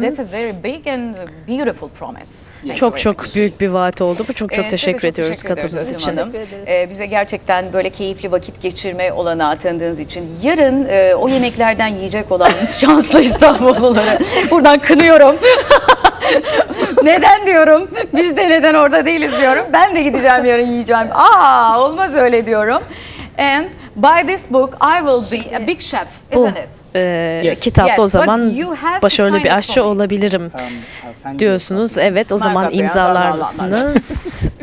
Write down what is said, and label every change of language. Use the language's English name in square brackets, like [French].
[English] That's a very big and beautiful promise. Yes. [Turkish] Çok çok büyük bir vaat oldu bu. Çok çok teşekkür ediyoruz katıldığınız için. Bize gerçekten böyle keyifli vakit geçirme olanağı tanıdığınız için. Yarın o yemeklerden yiyecek olanınız şanslı İstanbullulara. Buradan kınıyorum. Neden diyorum? Biz de neden orada değiliz diyorum. Ben de gideceğim yarın yiyeceğim. Aa, olmaz öyle diyorum. [English] And by this book I will be a big chef, isn't [Turkish] bu, [English] it? Yes. [Turkish] Kitapta [English] yes. [Turkish] o zaman başarılı bir aşçı olabilirim diyorsunuz. Evet, o zaman imzalar mısınız?